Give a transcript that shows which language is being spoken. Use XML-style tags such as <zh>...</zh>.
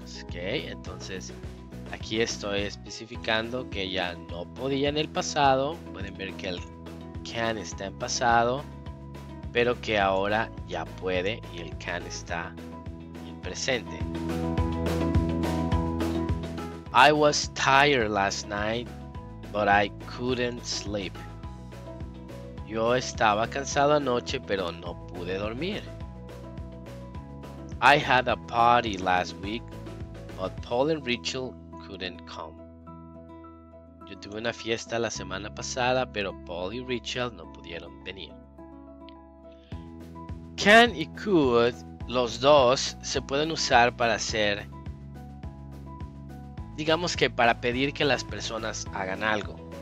<es>Okay, entonces, aquí estoy especificando que ella no podía en el pasado. Pueden ver que el can está en pasado, pero que ahora ya puede y el can está en presente.</es> <en>I was tired last night, but I couldn't sleep.</en> <es>Yo estaba cansado anoche, pero no pude dormir.</es> <en>I had a party last week, but Paul and Rachel couldn't come.</en> <es>Yo tuve una fiesta la semana pasada, pero Paul y Rachel no pudieron venir. Can y could, los dos, se pueden usar para hacer, digamos que para pedir que las personas hagan algo.</es>